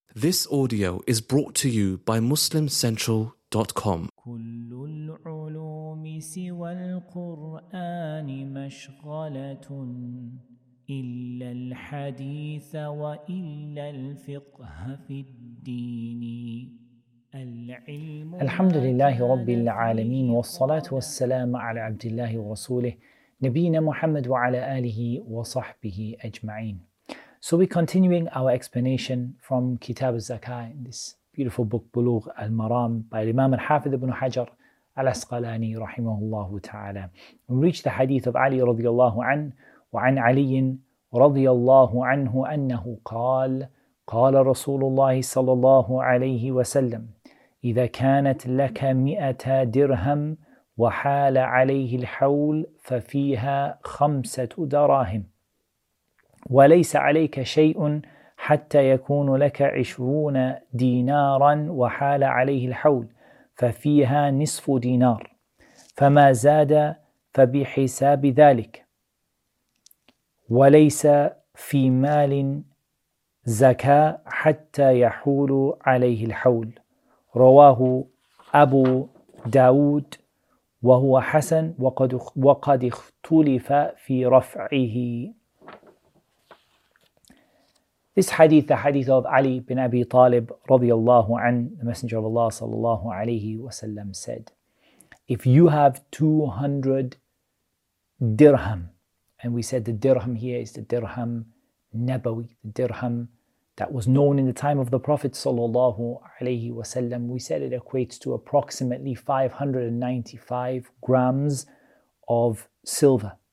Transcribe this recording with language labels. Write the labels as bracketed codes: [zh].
[en] This audio is brought to you by MuslimCentral.com. [ar] كل العلوم سوى القرآن مشغلة إلا الحديث وإلا الفقه في الدين. العلم الحمد لله رب العالمين والصلاة والسلام على عبد الله ورسوله نبينا محمد وعلى آله وصحبه أجمعين. [en] So we're continuing our explanation from Kitab al-Zakah, this beautiful book, Bulugh al-Maram, by Imam al-Hafiz ibn Hajar al-Asqalani, rahimahullahu ta'ala. We reach the hadith of Ali radiallahu an, [ar] wa an Aliyin radiallahu anhu annahu qal, qala Rasulullah sallallahu alayhi wa sallam, إذا كانت لك مئتا درهم وحال عليه الحول ففيها خمسة دراهم. وليس عليك شيء حتى يكون لك 20 دينارا وحال عليه الحول ففيها نصف دينار فما زاد فبحساب ذلك وليس في مال زكاة حتى يحول عليه الحول رواه أبو داود وهو حسن وقد اختلف في رفعه. [en] This hadith, the hadith of Ali bin Abi Talib radiallahu an, the Messenger of Allah sallallahu alayhi wa sallam said, if you have 200 dirham, and we said the dirham here is the dirham nabawi, the dirham that was known in the time of the Prophet sallallahu alayhi wa sallam, we said it equates to approximately 595 grams of silver.